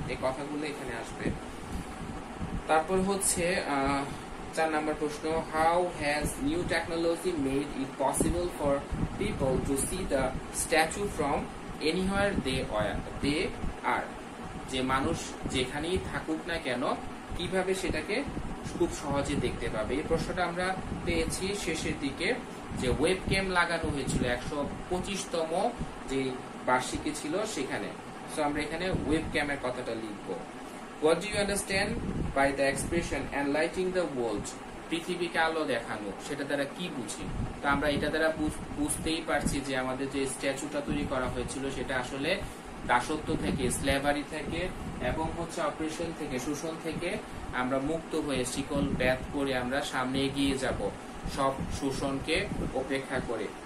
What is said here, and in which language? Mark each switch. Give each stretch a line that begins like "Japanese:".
Bangla: এই কথাগুলো এখানে আসবে। তারপর হচ্ছে চার নম্বর প্রশ্ন,
English: how has new technology made it possible for people to see the statue from anywhere they are,
Bangla: যে মানুষ যেখানেই থাকুক না কেন কিভাবে সেটাকে খুব সহজে দেখতে পাবে। এই প্রশ্নটা আমরা পেয়েছি শেষের দিকে, যে ওয়েব ক্যাম লাগানো হয়েছিল 125তম যে বার্ষিকী ছিল সেখানে। সো আমরা এখানে ওয়েব ক্যামের কথাটা লিখব।
English: What do you understand by the expression enlightening the world?
Bangla: পৃথিবীকে আলো দেখানো, সেটা দ্বারা কি বুঝি? তো আমরা এটা দ্বারা বুঝতেই পারছি যে আমাদের যে স্ট্যাচুটা তৈরি করা হয়েছিল সেটা আসলে দাসত্ব থেকে, স্লেভারি থেকে এবং হচ্ছে অপারেশন থেকে, শোষণ থেকে আমরা মুক্ত হয়ে শিকল ব্যাথ করে আমরা সামনে এগিয়ে যাব, সব শোষণকে উপেক্ষা করে।